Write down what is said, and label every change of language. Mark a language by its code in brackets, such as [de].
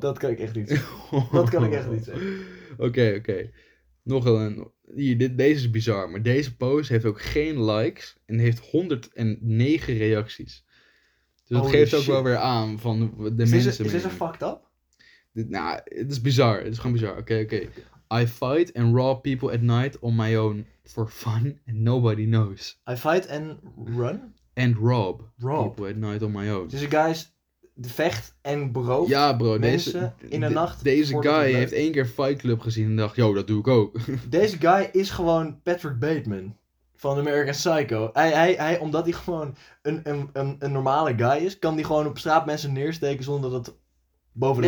[nl] Dat kan ik echt niet zeggen. Oké. Nog wel een... Deze is bizar, maar deze post heeft ook geen likes en heeft 109 reacties. Dus dat geeft ook wel weer aan van de mensen. Is dit een fucked up? Het is bizar. Het is gewoon bizar. Oké. [en] I fight and rob people at night on my own for fun and nobody knows. I fight and run? And rob people at night on my own. [nl] Dus guys, de vecht en beroofd mensen in de nacht. Deze guy heeft één keer Fight Club gezien en dacht, yo, dat doe ik ook. Deze guy is gewoon Patrick Bateman van American Psycho. Hij, omdat hij gewoon een normale guy is, kan hij gewoon op straat mensen neersteken zonder dat boven de